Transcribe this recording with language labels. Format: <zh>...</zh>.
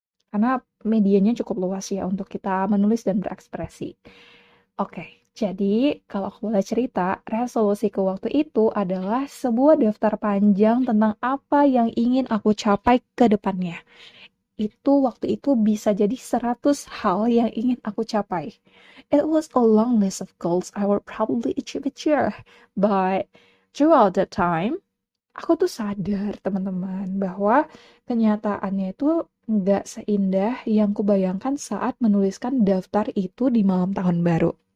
<id>Karena medianya cukup luas ya untuk kita menulis dan berekspresi. Oke. Jadi, kalau aku boleh cerita, resolusi ke waktu itu adalah sebuah daftar panjang tentang apa yang ingin aku capai ke depannya. Itu waktu itu bisa jadi 100 hal yang ingin aku capai.</id> <en>It was a long list of goals I would probably achieve each year. But throughout that time,</en> <id>aku tuh sadar, teman-teman, bahwa kenyataannya itu nggak seindah yang kubayangkan saat menuliskan daftar itu di malam tahun baru.</id>